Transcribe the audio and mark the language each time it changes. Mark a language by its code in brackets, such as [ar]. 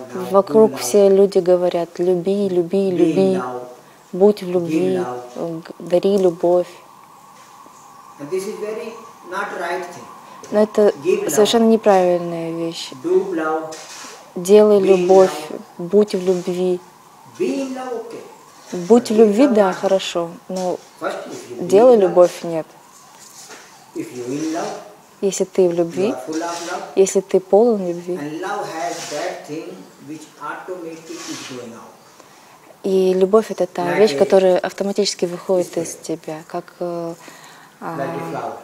[ru] Вокруг все люди говорят «люби, люби, люби». Будь в любви, дари любовь. [en] This is very not right thing. [ru] Но это совершенно неправильная вещь. [en] Do love. [ru] Делай [en] be [ru] любовь, [en] love. [ru] Будь в любви. [en] Be in love, okay. [ru] Будь в любви, да, love. Хорошо, но [en] first, [ru] делай [en] love, [ru] любовь, нет. [en] If you in love, [ru] если ты в любви, [en] you are full of love, [ru] если ты полон любви, [en] and love has that thing which automatically is going out. [ru] И любовь — это та вещь, которая автоматически выходит из тебя, как аромат.